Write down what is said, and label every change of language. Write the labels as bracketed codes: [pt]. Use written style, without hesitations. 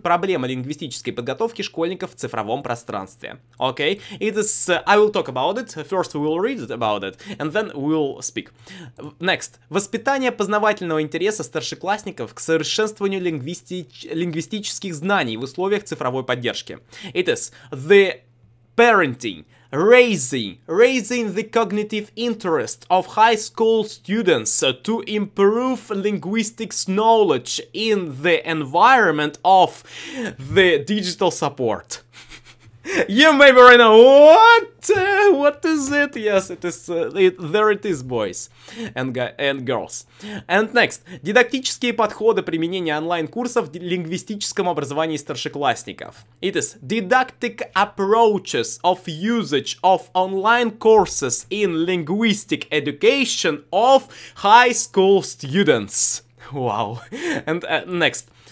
[ru] Проблема лингвистической подготовки школьников в цифровом пространстве. [en] Okay? It is... I will talk about it. First we will read about it. And then we will speak. Next. [ru] Воспитание познавательного интереса старшеклассников к совершенствованию лингвистических знаний в условиях цифровой поддержки. [en] It is the parenting. Raising the cognitive interest of high school students to improve linguistics knowledge in the environment of the digital support. You maybe right now, what is it? Yes, it is, there it is, boys and girls. And next, [ru] дидактические подходы применения онлайн-курсов в лингвистическом образовании старшеклассников. [en] It is didactic approaches of usage of online courses in linguistic education of high school students. Wow. And next.